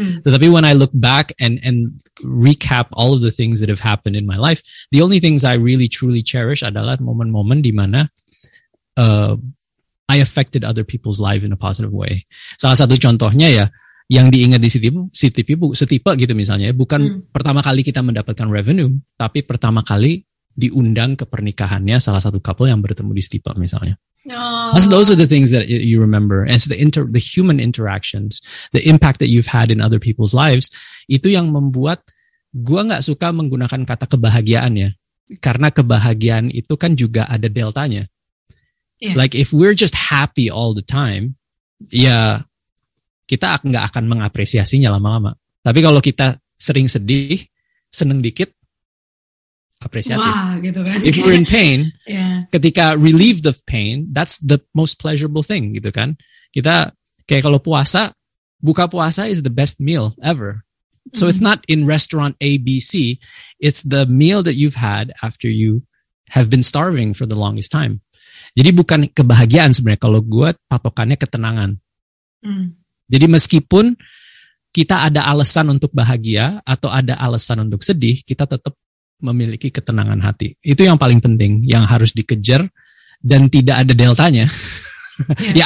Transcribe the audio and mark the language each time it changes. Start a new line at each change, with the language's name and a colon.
English: Tetapi when I look back and recap all of the things that have happened in my life, the only things I really truly cherish
Indonesian: adalah momen-momen di mana
English: I affected other people's life in a positive way.
Indonesian: Salah satu contohnya ya, yang diingat di setipe gitu misalnya, bukan pertama kali kita mendapatkan revenue, tapi pertama kali diundang ke pernikahannya salah satu couple yang bertemu di setipe misalnya. Aww.
English: Those are the things that you remember. And so the human interactions, the impact that you've had in other people's lives,
Indonesian: itu yang membuat gua gak suka menggunakan kata kebahagiaan ya. Karena kebahagiaan itu kan juga ada deltanya.
English: Yeah. Like if we're just happy all the time,
Indonesian: ya kita nggak akan mengapresiasinya lama-lama. Tapi kalau kita sering sedih, seneng dikit, apresiatif. Wah, gitu kan.
English: If we're in pain,
Indonesian: ketika
English: relieved of pain, that's the most pleasurable thing,
Indonesian: gitu kan. Kita kayak kalau puasa,
English: buka puasa is the best meal ever. So it's not in restaurant A, B, C. It's the meal that you've had after you have been starving for the longest time.
Indonesian: Jadi bukan kebahagiaan sebenarnya. Kalau gue patokannya ketenangan. Jadi meskipun kita ada alasan untuk bahagia atau ada alasan untuk sedih, kita tetap memiliki ketenangan hati. Itu yang paling penting, yang harus dikejar dan tidak ada deltanya. Yeah.